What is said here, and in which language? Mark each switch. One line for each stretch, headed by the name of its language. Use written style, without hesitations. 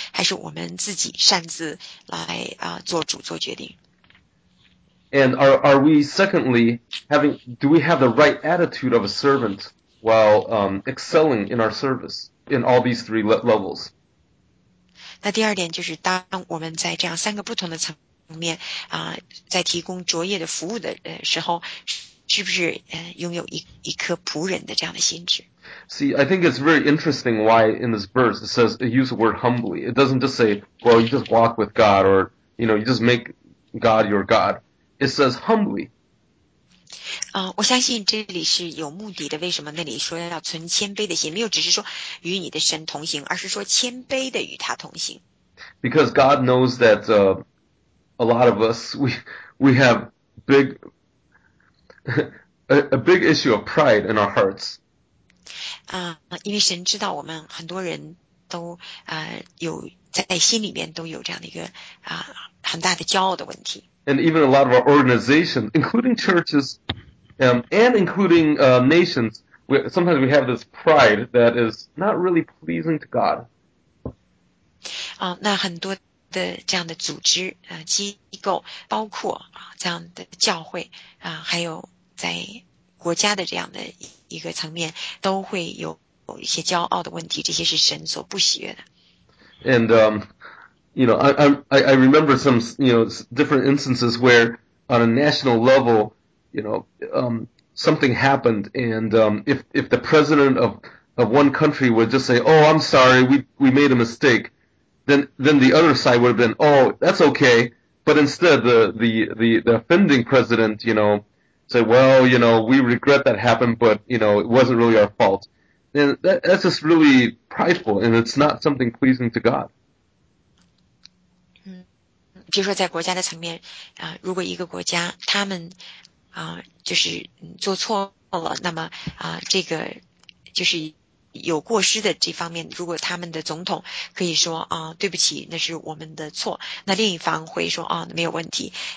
Chinese: 还是我们自己擅自来做主做决定？
English: And are we secondly having, do we have the right attitude of a servant while excelling in our service in all these three levels?
Chinese: 那第二点就是当我们在这样三个不同的层面在提供卓越的服务的时候，是不是拥有一颗仆人的这样的心智？
English: See, I think it's very interesting why in this verse it says, it uses the word humbly. It doesn't just say, well, you just walk with God or, you know, you just make God your God. It says humbly.
Chinese: 我相信这里是有目的的。为什么那里说要存谦卑的心？没有只是说与你的神同行，而是说谦卑的与他同行。
English: Because God knows that a lot of us we have a big issue of pride in our hearts.
Chinese: 因为神知道我们很多人都有在心里面都有这样的一个很大的骄傲的问题。
English: And even a lot of our organizations, including churches, and including nations, sometimes we have this pride that is not really pleasing to God.
Chinese: 那很多的这样的组织机构，包括这样的教会还有在国家的这样的一个层面，都会有一些骄傲的问题，这些是神所不喜悦的。
English: And, you know, I remember some, you know, different instances where on a national level, you know, something happened. And if the president of one country would just say, oh, I'm sorry, we made a mistake, then the other side would have been, oh, that's okay. But instead, the offending president, you know, said, well, you know, we regret that happened, but, you know, it wasn't really our fault. And that's just really prideful, and it's not something pleasing to God.
Chinese: 比如说在国家的层面如果一个国家他们就是做错了，那么这个就是有过失的这方面，如果他们的总统可以说对不起，那是我们的错，那另一方会说没有问题。